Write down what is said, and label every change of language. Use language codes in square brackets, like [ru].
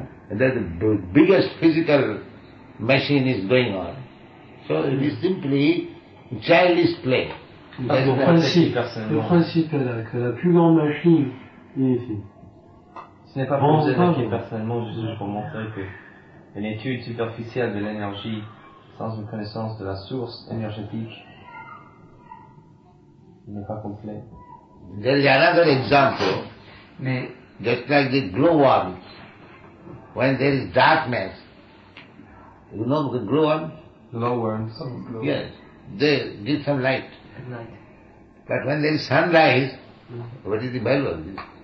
[en] And that the biggest physical machine is going on. So it is simply childish play. [fr] Le principe est là, que la plus grande machine est ici. Ce n'est pas pour vous attaquer personnellement, juste pour montrer que une étude superficielle de l'énergie sans une connaissance de la source énergétique n'est pas complète. [en] There is another example. [fr] Mais [en] just like the glowworms. When there is darkness, you know the glowworms? Glowworms. Yes. They need some light. At night. But when there is sunrise, what is the value of this?